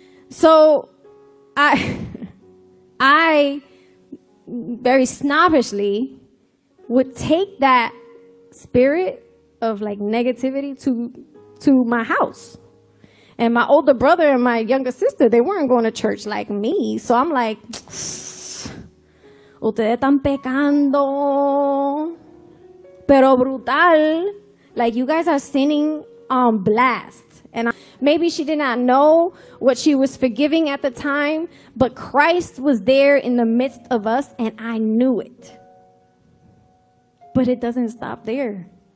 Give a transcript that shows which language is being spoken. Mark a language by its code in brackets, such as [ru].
[en] So I very snobbishly would take that spirit of like negativity to my house. And my older brother and my younger sister, they weren't going to church like me. So I'm like, [es] ustedes están pecando, pero brutal. [en] Like, you guys are sinning on blast. And maybe she did not know what she was forgiving at the time, but Christ was there in the midst of us, and I knew it. But it doesn't stop there.